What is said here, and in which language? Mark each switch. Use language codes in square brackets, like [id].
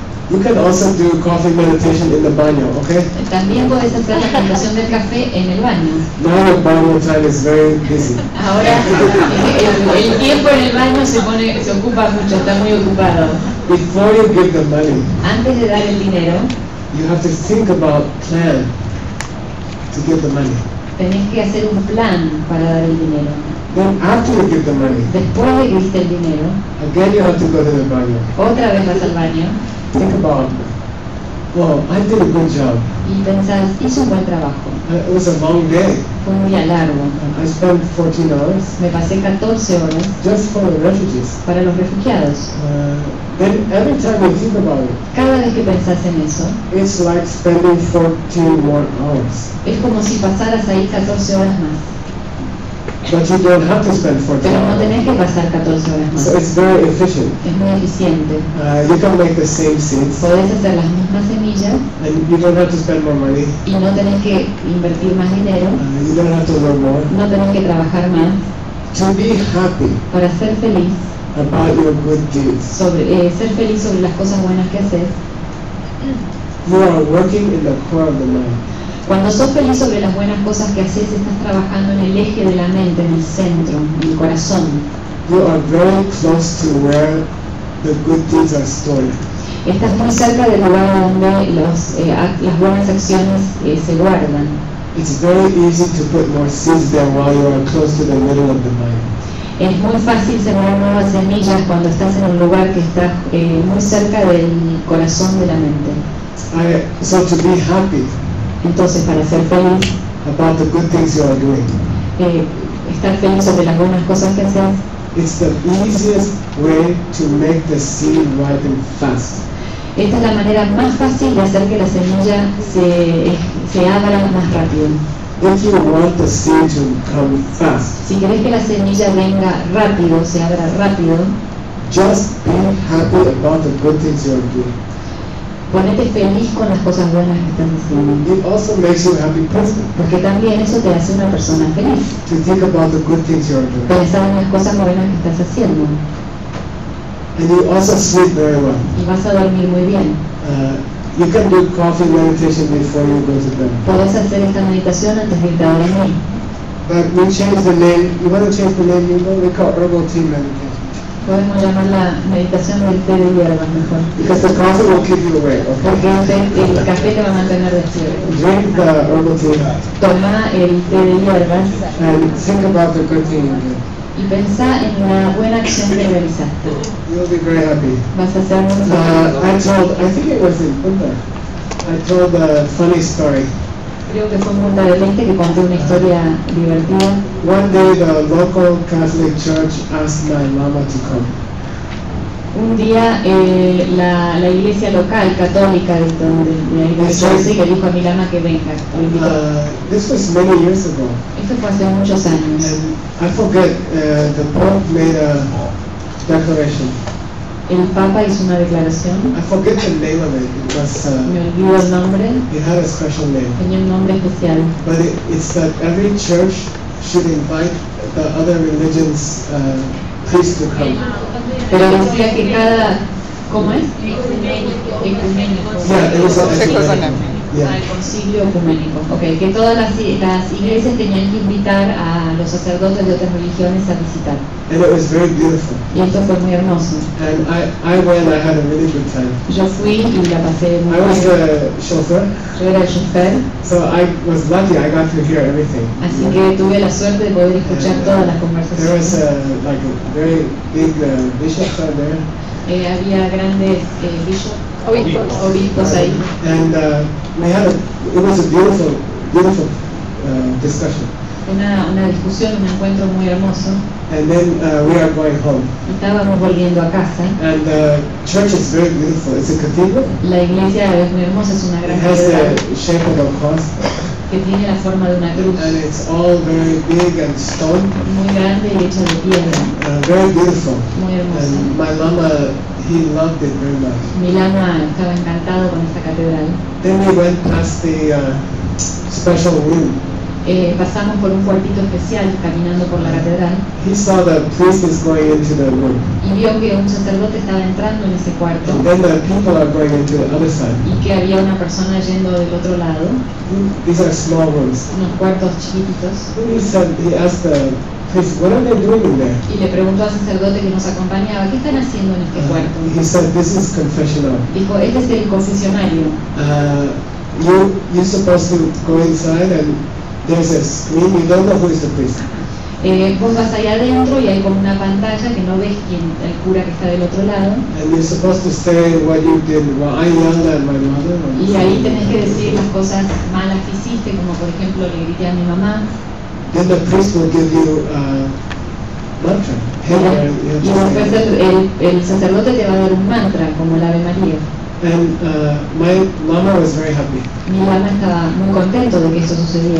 [en] You can also do coffee meditation in the baño, okay? [es] También puedes hacer la meditación del café en el baño. [en] Now your bubble time is very busy. [es] Ahora el tiempo en el baño se ocupa mucho, está muy ocupado. [en] Before you give the money, [es] antes de dar el dinero, [en] you have to think about plan to give the money. [es] Tenés que hacer un plan para dar el dinero. [en] Then after you give the money, [es] después de que diste el dinero, [en] again you have to go to the baño. [es] Otra vez vas al baño. [en] Think about, I did a good job. [es] Y pensás, hice un buen trabajo. [en] It was a long day. [es] Fue muy largo. [en] I spent 14 hours. [es] Me pasé 14 horas. [en] Just for the refugees. [es] Para los refugiados. [en] Then every time you think about it. [es] Cada vez que pensás en eso. [en] It's like spending 14 more hours. [es] Es como si pasaras ahí 14 horas más. [en] But you don't have to spend 14 [es] hours. Pero no tenés que pasar 14 horas más. [en] So it's very efficient. [es] Es muy eficiente. [en] You can make the same seeds. [es] Podés hacer las mismas semillas. [en] And you don't have to spend more money. [es] Y no tenés que invertir más dinero. [en] You don't have to work more. [es] No tenés que trabajar más. [en] To be happy. [es] Para ser feliz. [en] About your good deeds. [es] Ser feliz sobre las cosas buenas que haces. [en] You are working in the core of the mind. [es] Cuando sos feliz sobre las buenas cosas que haces, estás trabajando en el eje de la mente, en el centro, en el corazón. [en] You are very close to where the good deeds are stored. [es] Estás muy cerca del lugar donde las buenas acciones se guardan. [en] It's very easy to put more seeds there while you are close to the middle of the mind. [es] Es muy fácil sembrar nuevas semillas cuando estás en un lugar que está muy cerca del corazón de la mente. [en] So to be happy. [es] Entonces, para ser feliz, [en] about the good things you are doing, [es] estar feliz sobre las buenas cosas que haces, [en] it's the easiest way to make the seed ripen fast. [es] Esta es la manera más fácil de hacer que la semilla se abra más rápido. [en] If you want the seed to come fast, [es] si querés que la semilla venga rápido, se abra rápido, [en] just be happy about the good things you are doing. [es] Ponete feliz con las cosas buenas que estás haciendo. [en] It also makes you a happy person. [es] Porque también eso te hace una persona feliz. [en] To think about the good things you are doing. [es] Pensar en las cosas buenas que estás haciendo. [en] And you also sleep very well. [es] Y vas a dormir muy bien. [en] You can do coffee meditation before you go to bed. [es] Puedes hacer esta meditación antes de irte a dormir. [en] But we change the name. You want to change the name? You know, we call it herbal tea meditation. [es] Podemos llamar la meditación del té de hierba mejor. [en] Because the coffee will keep you awake, okay? [es] Porque el café te va a mantener despierto. [en] Drink the herbal tea. [es] Toma el té de hierba. [en] And think about the good thing you did. [es] y pensá en la buena acción que realizaste. [en] You'll be very happy. [es] Vas a ser muy [en] feliz. I think it was in Punta. I told a funny story. [es] Creo que fue en Punta del Este que conté una historia divertida. [en] One day the local Catholic church asked my mama to come. [es] Un día la iglesia local católica de donde la iglesia dice que dijo a mi mamá que venga. [en] This was many years ago. [es] Esto fue hace muchos años. [en] And I forget, the Pope made a declaration. [es] El Papa hizo una declaración. [en] I forget the name of it. It was, [es] me olvido el nombre. [en] It had a special name. [es] Tenía un nombre especial. [en] But it's that every church should invite the other religions priests to come. [es] Pero decía que cada, ¿cómo es? Ecuménico. [en] Yeah. [es] El concilio ecuménico. Okay, que todas las iglesias tenían que invitar a los sacerdotes de otras religiones a visitar. [en] And it was very beautiful. [es] Y esto fue muy hermoso. [en] And I went, I had a really good time. [es] Yo fui y la pasé muy bien. [en] I was the chauffeur. [es] Yo era el chofer. [en] So I was lucky, I got to hear everything. [es] Así que tuve la suerte de poder escuchar todas las conversaciones. [en] There was like a very big bishop there. [es] Había grandes bishops. Obispos ahí. [en] And we had it was a beautiful discussion. [es] Una discusión, un encuentro muy hermoso. [en] And then we are going home. [es] Estábamos volviendo a casa. [en] And the church is very beautiful. It's a cathedral. [es] La iglesia es muy hermosa, es una gran [en] catedral. It has the shape of a cross. [es] Que tiene la forma de una cruz. [en] And it's all very big and stone. [es] Muy grande y hecho de piedra. [en] Very beautiful. [es] Muy hermoso. [en] And my lama, he loved it very much. [es] Mi lama estaba encantado con esta catedral. [en] Then we went past the special room. [es] Pasamos por un cuartito especial caminando por la catedral. [en] He saw the priest is going into the room. [es] Y vio que un sacerdote estaba entrando en ese cuarto. [en] And then the people are going into the other side. [es] Y que había una persona yendo del otro lado. [en] These are small rooms. [es] Unos cuartos chiquititos. [en] Then he asked the priest, what are they doing in there? [es] Y le preguntó al sacerdote que nos acompañaba, ¿qué están haciendo en este cuarto? [en] He said, this is confessional. [es] Dijo, este es el confesionario. [en] You're supposed to go inside and there's a screen, you don't know who is the priest. [es] Vos vas allá adentro y hay como una pantalla que no ves quién, el cura que está del otro lado. [en] And you're supposed to say what you did. Well, I yelled at my mother. [es] Y ahí tenés que decir las cosas malas que hiciste, como por ejemplo le grité a mi mamá. [en] Then the priest will give you a mantra. [es] Y después el sacerdote te va a dar un mantra, como el Ave María. [en] And my mama was very happy. [es] Mi mamá estaba muy contento de que esto sucediera.